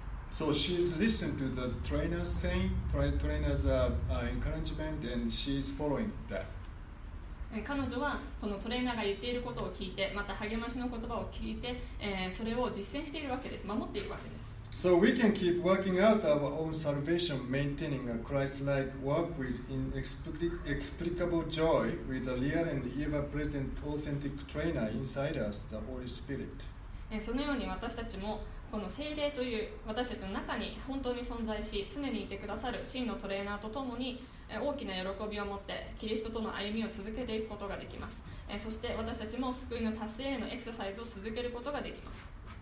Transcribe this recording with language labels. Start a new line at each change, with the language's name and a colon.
English: So she's listened to the trainer's saying, trainer's encouragement and she's following that.
Japanese: 彼女はそのトレーナーが言っていることを聞いて、また励ましの言葉を聞いて、それを実践しているわけです。守っているわけです。
English: So we can keep working out our own salvation, maintaining a Christ-like walk with inexplicable joy, with a real and ever-present authentic trainer inside us, the Holy Spirit.
Japanese: そのように私たちもこの聖霊という私たちの中に本当に存在し、常にいてくださる真のトレーナーとともに大きな喜びを持ってキリストとの歩みを続けていくことができます。そして私たちも救いの達成へのエクササイズを続けることができます。